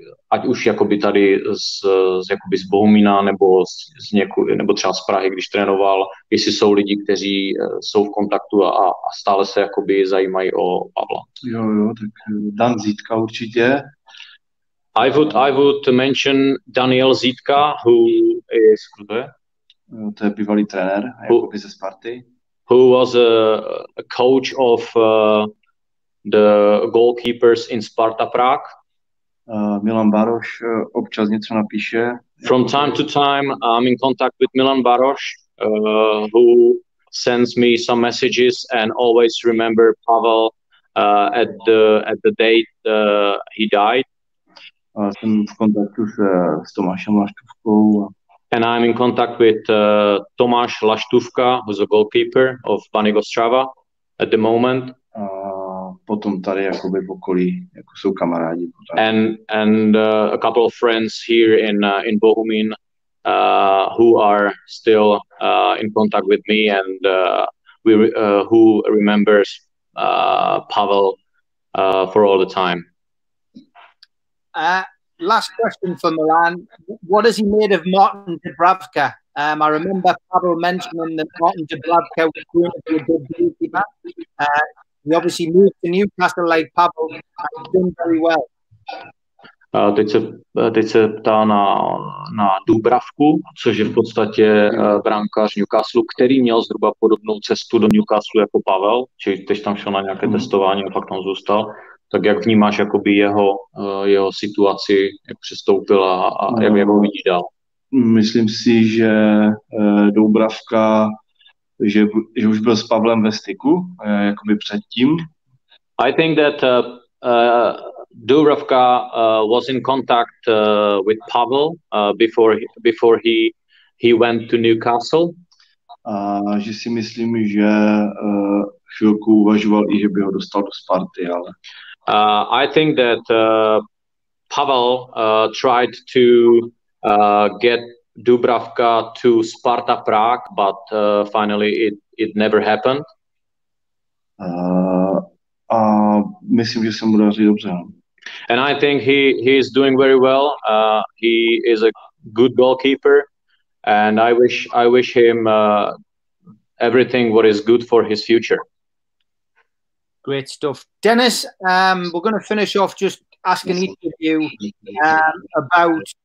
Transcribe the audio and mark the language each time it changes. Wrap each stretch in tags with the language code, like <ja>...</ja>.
<cs>Ať už jakoby tady z Bohumína nebo třeba z Prahy, když trénoval, jestli jsou lidi, kteří jsou v kontaktu a stále se jakoby zajímají o Pavla. Jo, tak Dan Zítka určitě.</cs> <en>I would mention Daniel Zítka, who is...</en> <cs>To je bývalý trenér, jakoby ze Sparty.</cs> <en>Who was a coach of the goalkeepers in Sparta Prague.</en> <cs>Milan Baroš občas něco napíše.</cs> <en>From time to time I'm in contact with Milan Baroš, who sends me some messages and always remember Pavel at the date he died.</en> <cs>Jsem v kontaktu s Tomášem Laštůvkou.</cs> <en>And I'm in contact with Tomáš Laštůvka, who's a goalkeeper of Banik Ostrava at the moment.</en> <cs>Potom tady jakoby v okolí jako jsou kamarádi.</cs> <en>And a couple of friends here in Bohumín who are still in contact with me and who remembers Pavel for all the time. Last question for Milan. What is he made of Martin Dubravka? I remember Pavel mentioning that Martin Dubravka was going to be a good beauty man. We obviously moved to Newcastle like Pavel and he's done very well.</en> <cs>Teď se ptá na Dubravku, což je v podstatě brankář Newcastle, který měl zhruba podobnou cestu do Newcastle jako Pavel, čili teď tam šel na nějaké testování a pak tam zůstal. Tak jak vnímáš jakoby jeho situaci, jak přestoupil a jak ho vidíš dál? Myslím si, že Dubravka... Že už byl s Pavlem ve styku, jakoby předtím.</cs> <en>I think that Dubravka was in contact with Pavel before he went to Newcastle.</en> <cs>Že si myslím, že chvilku uvažoval i, že by ho dostal do Sparty, ale...</cs> <en>I think that Pavel tried to get Dubravka to Sparta Prague, but finally it never happened.</en> <cs>A myslím, že se mu daří dobře.</cs> <en>And I think he is doing very well. He is a good goalkeeper, and I wish him everything what is good for his future. Great stuff, Denis. We're going to finish off just asking each of you about.</en>